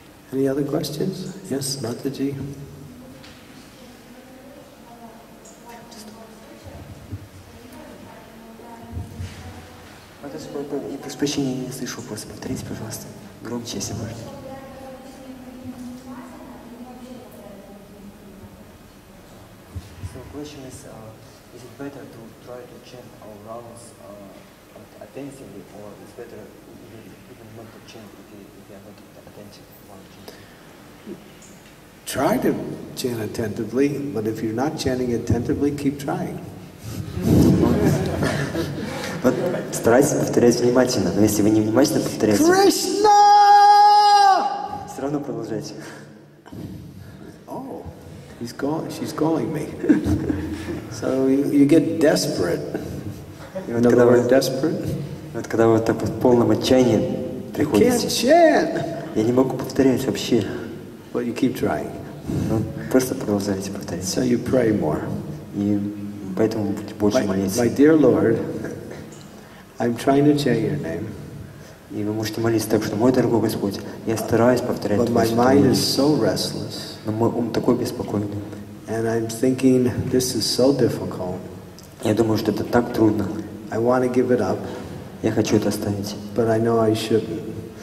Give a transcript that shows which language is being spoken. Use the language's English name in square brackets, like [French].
[English] Any other questions? Yes, Mataji. [Russian] Мы просто прощения не слышу, просто повторите, пожалуйста, громче, если можно. [English] So question is it better to try to chant our rounds attentively, or is better even not to chant if you are not attentive while chanting? Try to chant attentively, but if you're not chanting attentively, keep trying. [Russian] Вот старайтесь повторять внимательно, но если вы не внимательно повторяете, Кришна! Все равно продолжайте. [English] Oh, he's call, she's calling me. So you get desperate. [Russian] Вот когда вы desperate, вот когда вы так в полном отчаянии приходите, я не могу повторять вообще. [English] But you keep trying. [Russian] Ну, просто продолжайте повторять. [English] So you pray more. [Russian] И поэтому будьте больше молиться. [English] My dear Lord, I'm trying to chant your name. [Russian] И вы можете молиться так, что мой дорогой Господь, я стараюсь повторять твое имя. [English] But my mind is so restless. [Russian] Но мой ум такой беспокойный. [English] And I'm thinking this is so difficult. [Russian] Я думаю, что это так трудно. [English] I want to give it up. [Russian] Я хочу это оставить. [English] But I know I shouldn't.